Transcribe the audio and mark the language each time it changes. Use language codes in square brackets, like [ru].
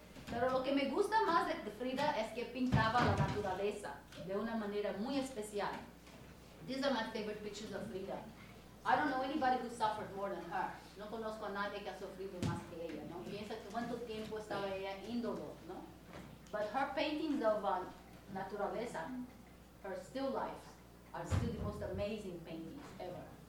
[es] Pero lo que me gusta más de Frida es que pintaba la naturaleza de una manera muy especial. [en] These are my favorite pictures of Frida. I don't know anybody who suffered more than her. [es] No conozco a nadie que ha sufrido más que ella, ¿no? Piensa cuánto tiempo estaba ella en dolor, ¿no? [en] But her paintings of naturaleza, her still life, are still the most amazing paintings ever.